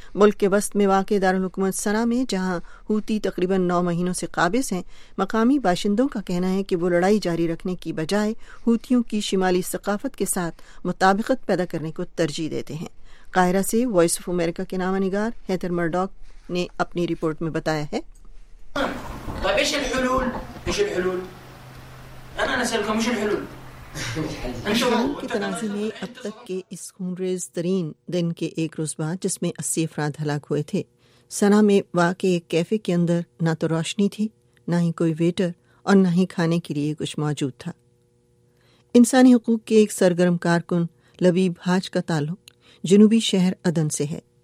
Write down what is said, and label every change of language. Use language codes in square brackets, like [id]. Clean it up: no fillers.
[ur] ملک کے وسط میں واقع دارالحکومت سنا میں، جہاں ہوتی تقریباً 9 مہینوں سے قابض ہیں، مقامی باشندوں کا کہنا ہے کہ وہ لڑائی جاری رکھنے کی بجائے ہوتیوں کی شمالی ثقافت کے ساتھ مطابقت پیدا کرنے کو ترجیح دیتے ہیں. قاہرہ سے وائس آف امریکہ کے نامہ نگار ہیتر مرڈاک نے اپنی رپورٹ میں بتایا ہے. [ar] طب ايش الحلول؟ ايش الحلول؟ انا نسالكم ايش الحلول؟ [ur] تنازع میں اب تک کے اس خونریز ترین دن کے ایک روز بعد، جس میں 80 افراد ہلاک ہوئے تھے، سنا میں واقع ایک کیفے کے اندر نہ تو روشنی تھی، نہ ہی کوئی ویٹر، اور نہ ہی کھانے کے لیے کچھ موجود تھا. انسانی حقوق کے ایک سرگرم کارکن لبیب حاج کا تعلق جنوبی شہر عدن سے ہے.